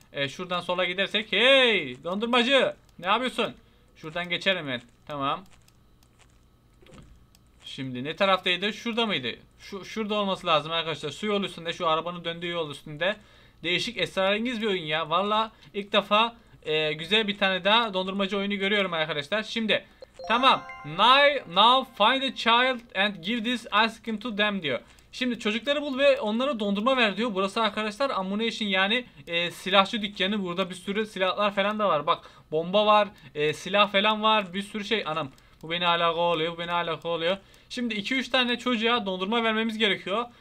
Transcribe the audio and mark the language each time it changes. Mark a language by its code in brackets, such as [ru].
[tr] Şuradan sola gidersek. Hey dondurmacı. Ne yapıyorsun? Şuradan geçerim ben. Tamam. Şimdi ne taraftaydı? Şurada mıydı? Şurada olması lazım arkadaşlar. Su yolu üstünde. Şu arabanın döndüğü yol üstünde. Değişik esrarengiz bir oyun ya. Valla ilk defa güzel bir tane daha dondurmacı oyunu görüyorum arkadaşlar. Şimdi tamam. [en] Now find a child and give this ice cream to them diyor. [tr] Şimdi çocukları bul ve onlara dondurma ver diyor. Burası arkadaşlar ammunition, yani silahçı dükkanı. Burada bir sürü silahlar falan da var. Bak bomba var, silah falan var. Bir sürü şey. Anam bu beni alaka oluyor. Şimdi 2-3 tane çocuğa dondurma vermemiz gerekiyor.